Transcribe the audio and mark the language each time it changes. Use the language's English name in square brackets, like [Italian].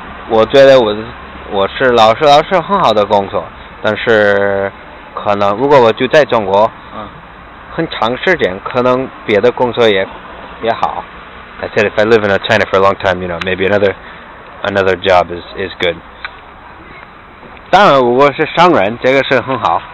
[Chinese] 我觉得我是老师很好的工作, 但是可能如果我就在中国, 很长时间, 可能别的工作也好。 [English] I said if I live in China for a long time, you know, maybe another job is good. [Chinese] 当然我是商人，这个是很好。